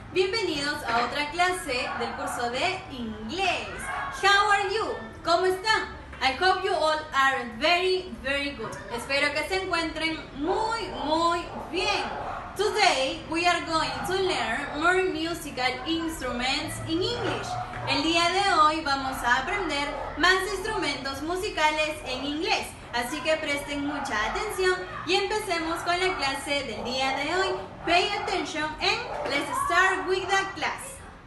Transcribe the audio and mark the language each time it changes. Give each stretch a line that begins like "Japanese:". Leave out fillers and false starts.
Spanish: Bienvenidos a otra clase del curso de inglés.
English: How are you?
Spanish: ¿Cómo están?
English: I hope you all are very, very good.
Spanish: Espero que se encuentren muy, muy bien.
English: Today, we are going to learn more musical instruments in English.
Spanish: El día de hoy vamos a aprender más instrumentos musicales en inglés. Así que presten mucha atención y empecemos con la clase del día de hoy.
English: Pay attention and let's start with the class.